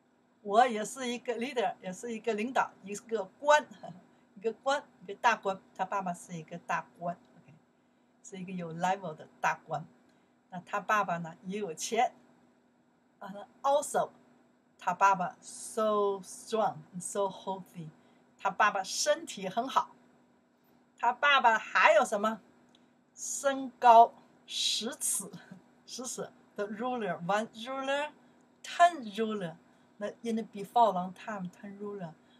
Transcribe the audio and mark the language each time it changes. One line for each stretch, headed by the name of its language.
Chinese: 他爸爸就想，我是一个有钱人，我也是一个 leader， 也是一个领导，一个官，一个大官。他爸爸是一个大官， okay? 是一个有 level 的大官。那他爸爸呢，也有钱。
English: And also,
Chinese: 他爸爸
English: so strong, so healthy.
Chinese: 他爸爸身体很好。他爸爸还有什么? 身高十尺。十尺,
English: the ruler, one ruler, ten ruler. In the before long time, ten ruler.